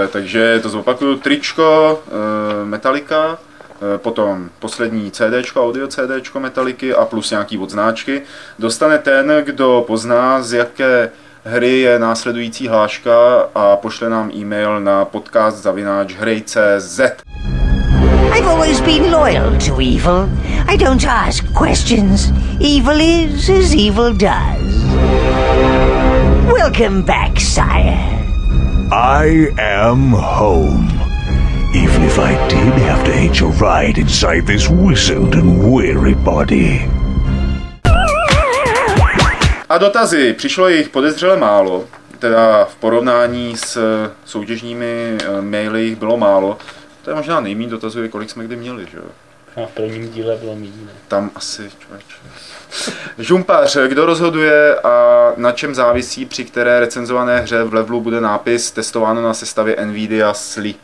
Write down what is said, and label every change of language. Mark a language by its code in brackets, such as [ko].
[cs] Takže to zopakuju, tričko Metallica, potom poslední CDčko, audio CDčko Metallica a plus nějaký odznáčky. Dostane ten, kdo pozná, z jaké hry je následující hláška a pošle nám e-mail na podcast@hry.cz. [en] I've always been loyal to evil. I don't ask questions. Evil is as evil does. Welcome back, sire. I am home. Even if I did have to hitch a ride inside this wizened and weary body. [cs] A dotazy. Přišlo jich podezřele málo. Teda v porovnání s soutěžními maily jich bylo málo. To je možná nejmín dotazů, kolik jsme kdy měli, že jo? A v prvním díle bylo míň, ne? Tam asi, člověč. Žumpař, kdo rozhoduje a na čem závisí, při které recenzované hře v levelu bude nápis testováno na sestavě NVIDIA SLI?